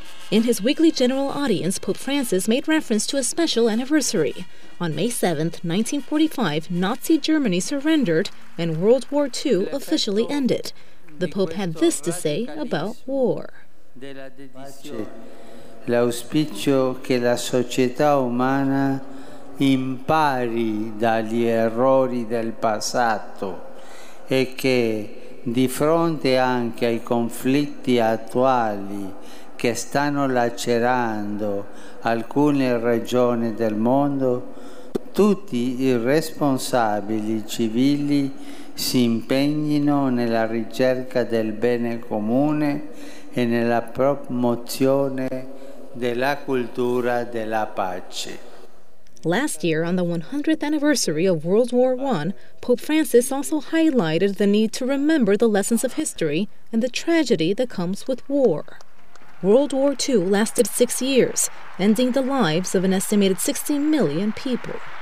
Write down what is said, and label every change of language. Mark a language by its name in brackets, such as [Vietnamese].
[English] In his weekly general audience, Pope Francis made reference to a special anniversary. On May 7th, 1945, Nazi Germany surrendered and World War II officially ended. The Pope had this to say about war. [Italian] L'auspicio che la società umana impari dagli errori del passato e che, di fronte anche ai conflitti attuali che stanno lacerando alcune regioni del mondo, tutti i responsabili civili si impegnino nella ricerca del bene comune e nella promozione della cultura della pace. [English] Last year, on the 100th anniversary of World War I, Pope Francis also highlighted the need to remember the lessons of history and the tragedy that comes with war. World War II lasted 6 years, ending the lives of an estimated 60 million people.